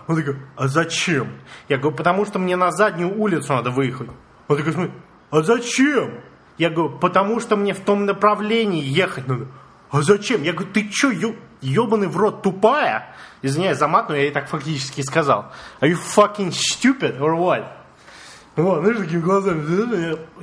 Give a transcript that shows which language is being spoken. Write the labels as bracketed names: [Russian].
[Russian] Он такой, а зачем? Я говорю, потому что мне на заднюю улицу надо выехать. Он такой, а зачем? Я говорю, потому что мне в том направлении ехать надо. А зачем? Я говорю, ты что, ебаный в рот, тупая? Извиняюсь за мат, но я ей так фактически сказал. [English] Are you fucking stupid or what? [Russian] Вот, знаешь, такими глазами.